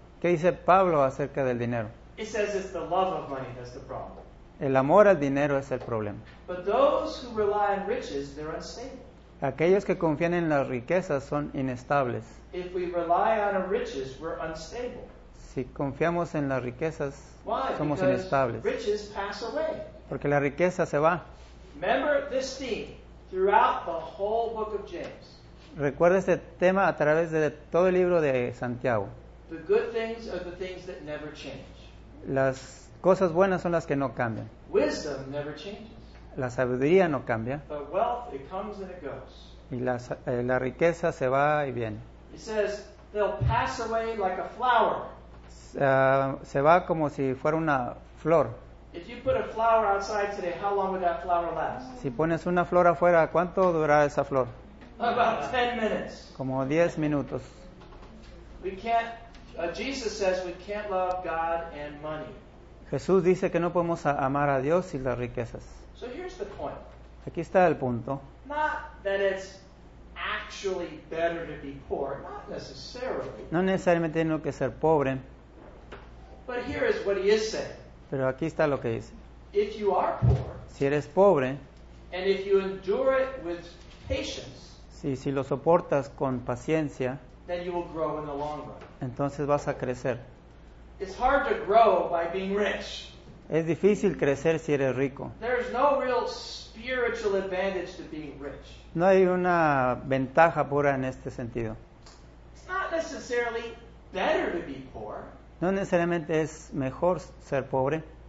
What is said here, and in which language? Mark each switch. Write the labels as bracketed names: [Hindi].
[Spanish] ¿Qué dice Pablo acerca del dinero? [English] He says it's the love of money that's the problem. [Spanish] El amor al dinero es el problema. [English] But those who rely on riches, they're unstable. [Spanish] Aquellos que confían en las riquezas son inestables. [English] If we rely on riches, we're unstable. [Spanish] Si confiamos en las riquezas, [English] why? [Spanish] Somos [English] because [Spanish] inestables. [English] Riches pass away. [Spanish] Porque la riqueza se va. [English] Remember this theme throughout the whole book of James. [Spanish] Recuerda este tema a través de todo el libro de Santiago. [English] The good things are the things that never change. [Spanish] Las cosas buenas son las que no cambian. [English] Wisdom never changes. [Spanish] La sabiduría no cambia. [English] The wealth, it comes and it goes. [Spanish] Y la riqueza se va y viene. [English] It says, they'll pass away like a flower. [Spanish] Se va como si fuera una flor. [English] If you put a flower outside today, how long would that flower last? [Spanish] Si pones una flor afuera, ¿cuánto durará esa flor? [English] About 10 minutes. [Spanish] Como 10 minutos. [English] We can't. Jesus says we can't love God and money. [Spanish] Jesús dice que no podemos amar a Dios y las riquezas. [English] So here's the point. [Spanish] Aquí está el punto. [English] Not that it's actually better to be poor. Not necessarily. [Spanish] No necesariamente tengo que ser pobre. [English] But here is what he is saying. [Spanish] Pero aquí está lo que dice. [English] If you are poor. [Spanish] Si eres pobre. [English] And if you endure it with patience. [Spanish] Si lo soportas con paciencia, [English] then you will grow in the long run. [Spanish] Entonces vas a crecer. [English] It's hard to grow by being rich. [Spanish] Es difícil crecer si eres rico. [English] There's no real spiritual advantage to being rich. [Spanish] No hay una ventaja pura en este sentido. [English] It's not necessarily better to be poor. [Spanish] No necesariamente es mejor ser pobre.